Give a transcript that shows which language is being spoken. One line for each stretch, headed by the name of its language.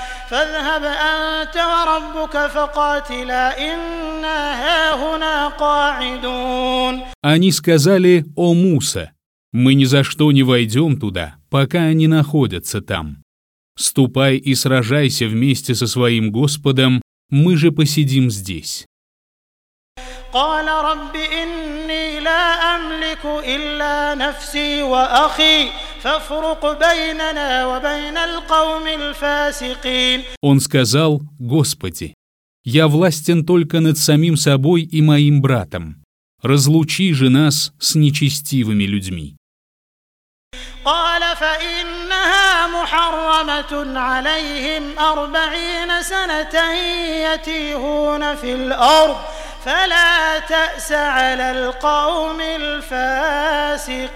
Arabic: فاذهب أنت وربك فقاتلا إنا هاهنا قاعدون.
Russian: Они сказали: «О Муса, мы ни за что не войдем туда, пока они находятся там. Ступай и сражайся вместе со своим Господом, мы же посидим здесь».
Arabic: قال رب إني لا أملك إلا نفسي وأخي فافرق بيننا وبين القوم الفاسقين.
Russian: Он сказал: «Господи, я властен только над самим собой и моим братом. Разлучи же нас с нечестивыми людьми».
Arabic: قال فإنها محرمة عليهم أربعين سنة يتيهون في الأرض فلا تأس على القوم الفاسقين.